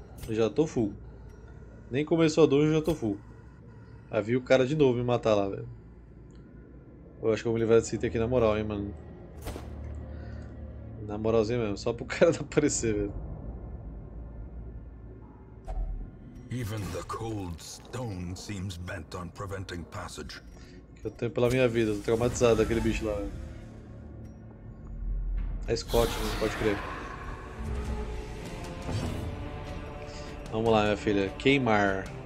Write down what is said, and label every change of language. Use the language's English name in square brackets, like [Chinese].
[Portuguese] Já tô full. Nem começou a dungeon, já tô full. Aí vi o cara de novo me matar lá, velho. Eu acho que eu vou me livrar desse item aqui na moral, hein, mano. Na moralzinha mesmo, só pro cara não aparecer, velho. [English] Even the cold stone seems bent on preventing passage. [Portuguese] Que eu tenho pela minha vida, tô traumatizado daquele bicho lá, velho. É Scott, não pode crer. Vamos lá, minha filha. Queimar.